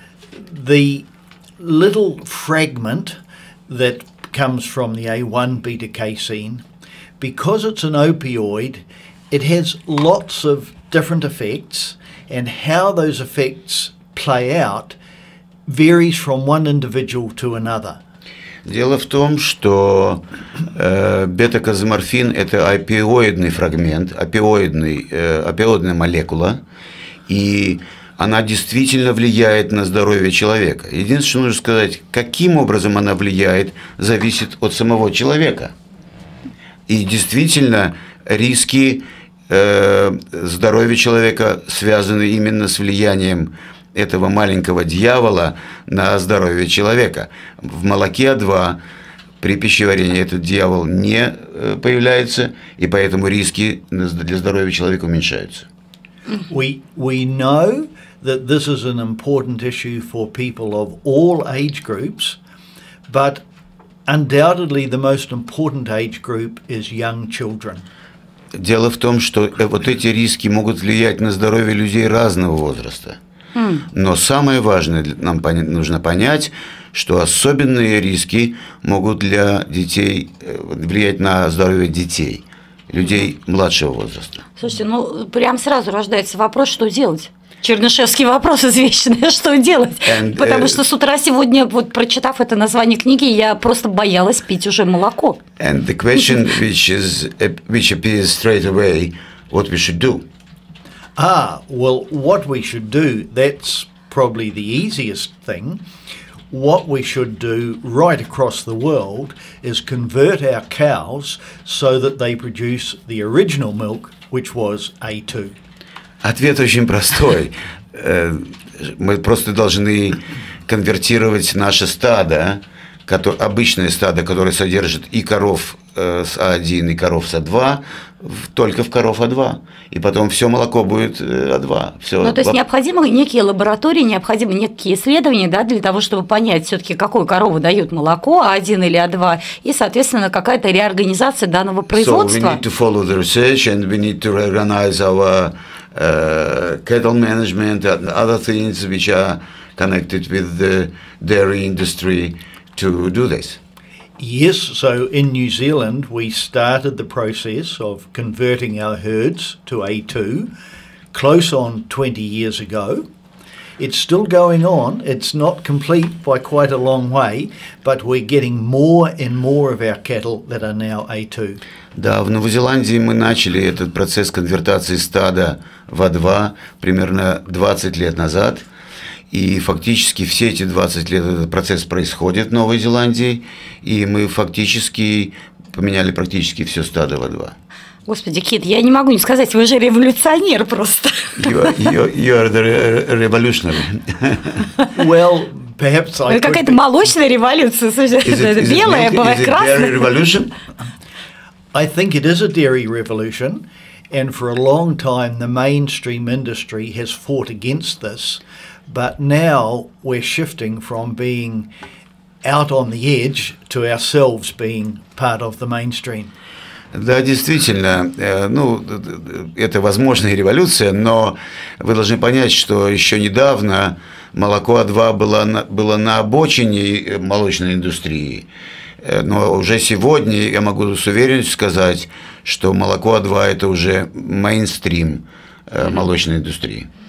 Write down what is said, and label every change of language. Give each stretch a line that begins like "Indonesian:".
English: The little fragment that comes from the A1 beta casein, because it's an opioid, it has lots of different effects, and how those effects play out varies from one individual to another.
Russian: Дело в том, что бета-каземорфин – это опиоидный фрагмент, опиоидная молекула, и она действительно влияет на здоровье человека. Единственное, что нужно сказать, каким образом она влияет, зависит от самого человека. И действительно, риски здоровья человека связаны именно с влиянием этого маленького дьявола на здоровье человека. В молоке А2 при пищеварении этот дьявол не появляется, и поэтому риски для здоровья человека уменьшаются.
English: We know that this is an important issue for people of all age groups, but undoubtedly, the most important age group is young children.
Russian: Дело в том, что вот эти риски могут влиять на здоровье людей разного возраста. Но самое важное нам нужно понять, что особенные риски могут для детей влиять на здоровье детей, людей младшего возраста. Слушайте, ну прям сразу рождается вопрос, что делать? Чернышевский вопрос извечный, что делать? Потому что с утра сегодня, вот прочитав это название книги, я просто боялась пить уже молоко.
English: And the question which appears straight away, what we should do? Ah, well, what we should do, that's probably the easiest thing. What we should do right across the world is convert our cows so that they produce the original milk, which was A2.
Russian: Ответ очень простой. Мы просто должны конвертировать наше стадо, обычное стадо, которое содержит и коров с А1, и коров с А2, только в коров А2. И потом все молоко будет А2. Ну, то есть необходимы некие лаборатории, необходимы некие исследования, да, для того, чтобы понять все-таки, какую корову дают молоко, А1 или А2, и, соответственно, какая-то реорганизация данного производства.
English: So we need to follow the research and we need to reorganize our cattle management and other things which are connected with the dairy industry to do this. Yes, so in New Zealand we started the process of converting our herds to A2 close on 20 years ago. It's still going on. It's not complete by quite a long way, but we're getting more and more of our cattle that are now A2.
Russian: Да, в Новой Зеландии мы начали этот процесс конвертации стада в А2 примерно 20 лет назад. И фактически все эти 20 лет этот процесс происходит в Новой Зеландии, и мы фактически поменяли практически все стадо в А2. Господи, Кит, я не могу не сказать, вы же революционер просто.
English: You are the revolutionary. Well, perhaps I.
Russian: Это какая-то молочная революция, слушай, это белая, бывает красная.
English: I think it is a dairy revolution, and for a long time the mainstream industry has fought against this, but now we're shifting from being out on the edge to ourselves being part of the mainstream.
Russian: Да, действительно, ну, это возможная революция, но вы должны понять, что еще недавно молоко А2 было на обочине молочной индустрии. Но уже сегодня я могу с уверенностью сказать, что молоко А2 – это уже мейнстрим молочной индустрии.